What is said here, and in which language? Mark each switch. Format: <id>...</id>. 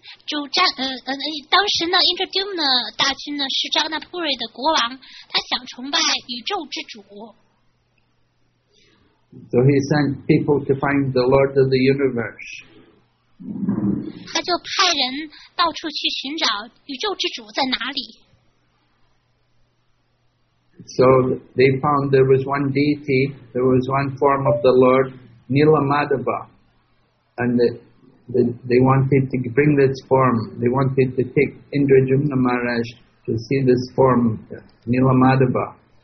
<zh>当时呢 ，Indrajumna 大君呢是扎纳普瑞的国王，他想崇拜宇宙之主。</zh> <en>So he sent people to find the Lord of the Universe.</en> <zh>他就派人到处去寻找宇宙之主在哪里。</zh> <en>So they found there was one deity, there was one form of the Lord, Nilamadava. And they wanted to bring this form, they wanted to take Indrajumna Maharaj to see this form, Nilamadava.</en>